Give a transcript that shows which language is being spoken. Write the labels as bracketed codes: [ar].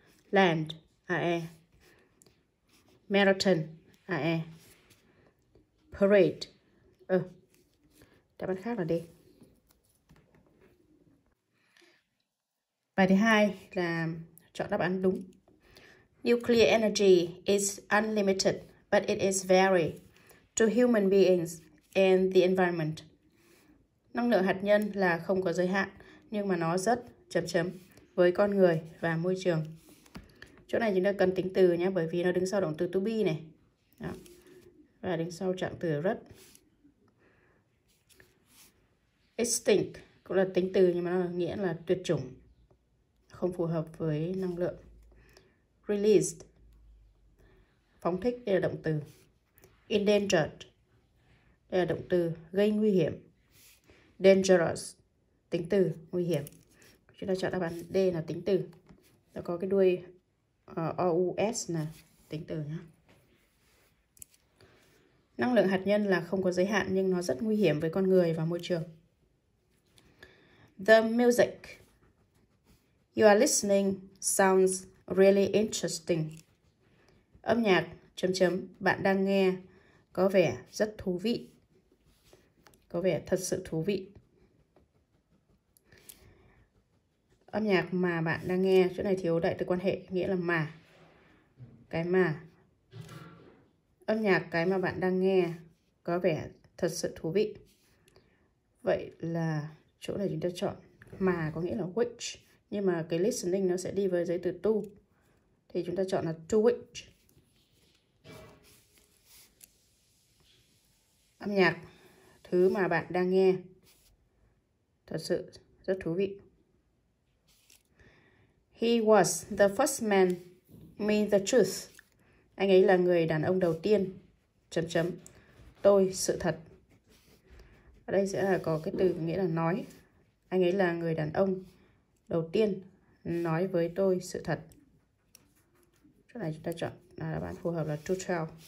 [en] Land, A-E. Marathon, A-E. [vi] Parade, ơ. Đáp án khác là D. Bài thứ hai là chọn đáp án đúng. [en] Nuclear energy is unlimited, but it is very to human beings and the environment. [vi] Năng lượng hạt nhân là không có giới hạn, nhưng mà nó rất chậm chậm với con người và môi trường. Chỗ này chúng ta cần tính từ nhé, bởi vì nó đứng sau động từ to be này. Đó. Và đứng sau trạng từ rất. Extinct cũng là tính từ, nhưng mà nó nghĩa là tuyệt chủng, không phù hợp với năng lượng. Released, phóng thích, đây là động từ. Endangered, đây là động từ, gây nguy hiểm. Dangerous, tính từ, nguy hiểm. Chúng ta chọn đáp án D là tính từ. Nó có cái đuôi OUS là tính từ nhé. Năng lượng hạt nhân là không có giới hạn, nhưng nó rất nguy hiểm với con người và môi trường. [en] The music you are listening sounds really interesting. [vi] Âm nhạc chấm chấm bạn đang nghe có vẻ rất thú vị. Có vẻ thật sự thú vị. Âm nhạc mà bạn đang nghe, chỗ này thiếu đại từ quan hệ, nghĩa là mà. Cái mà. Âm nhạc cái mà bạn đang nghe có vẻ thật sự thú vị. Vậy là chỗ này chúng ta chọn mà có nghĩa là which. Nhưng mà cái listening nó sẽ đi với giấy từ to. Thì chúng ta chọn là [en] to which. [vi] Âm nhạc, thứ mà bạn đang nghe, thật sự rất thú vị. [en] He was the first man mean the truth. [vi] Anh ấy là người đàn ông đầu tiên, chấm chấm, tôi sự thật. Ở đây sẽ là có cái từ nghĩa là nói. Anh ấy là người đàn ông đầu tiên nói với tôi sự thật. Cái này chúng ta chọn là đáp án phù hợp là [en] to tell.